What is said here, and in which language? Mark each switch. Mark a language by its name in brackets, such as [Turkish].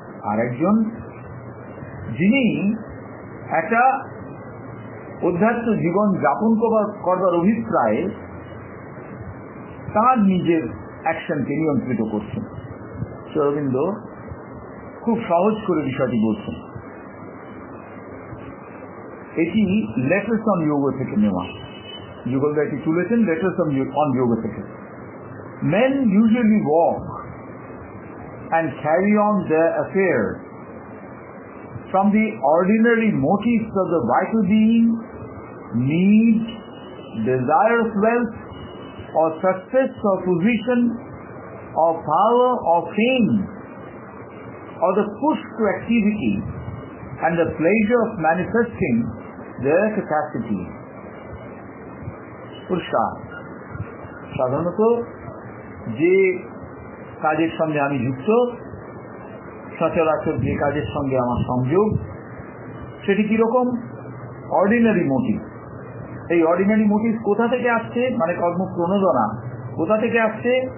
[Bangla] আর একজন যিনি একটা অধ্যাত্ম জীবন যাপন করবার অভিপ্রায়ে তার নিজের অ্যাকশনকে নিয়ন্ত্রিত করছেন, শ্রীঅরবিন্দ খুব সহজ করে বিষয়টি বলছেন, এটি লেটার্স অন যোগ থেকে নেওয়া, যুগলদাইটি তুলেছেন লেটার্স অন যোগ থেকে। [English] Men usually work and carry on their affairs. From the ordinary motives of the vital being, need, desire of wealth, or success or position, or power or fame, or the push to activity and the pleasure of manifesting their capacity. [Bangla] সাধারণত যে কাজের সঙ্গে আমি যুক্ত, সচরাচর যে কাজের সঙ্গে আমার সংযোগ, সেটি কিরকম? Ordinary motive. এই অর্ডিনারি মোটিভ কোথা থেকে আসছে, মানে কর্মপ্রণোদনা কোথা থেকে আসছে?